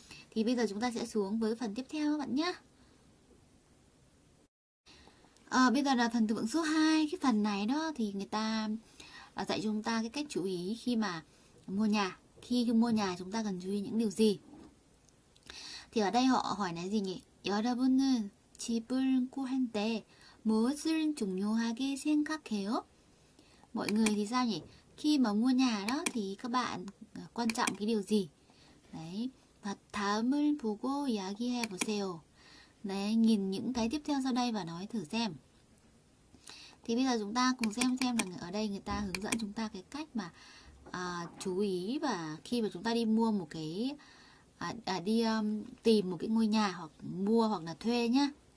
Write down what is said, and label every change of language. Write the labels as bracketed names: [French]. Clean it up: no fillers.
[Vietnamese] Thì bây giờ chúng ta sẽ xuống với phần tiếp theo các bạn nhé. Bây giờ là phần từ vựng số 2. Cái phần này đó thì người ta dạy chúng ta cái cách chú ý khi mà mua nhà. Khi mua nhà chúng ta cần chú ý những điều gì? Thì ở đây họ hỏi là gì nhỉ? [Korean] 여러분은 집을 구할 때 무엇을 중요하게 생각해요? [Vietnamese] Mọi người thì sao nhỉ? Khi mà mua nhà đó thì các bạn quan trọng cái điều gì? Đấy. [Korean] Và 다음을 보고 이야기해 보세요. [Vietnamese] Đấy, nhìn những cái tiếp theo sau đây và nói thử xem. Thì bây giờ chúng ta cùng xem là ở đây người ta hướng dẫn chúng ta cái cách mà chú ý, và khi mà chúng ta đi mua một cái đi tìm một cái ngôi nhà hoặc mua hoặc là thuê nhá.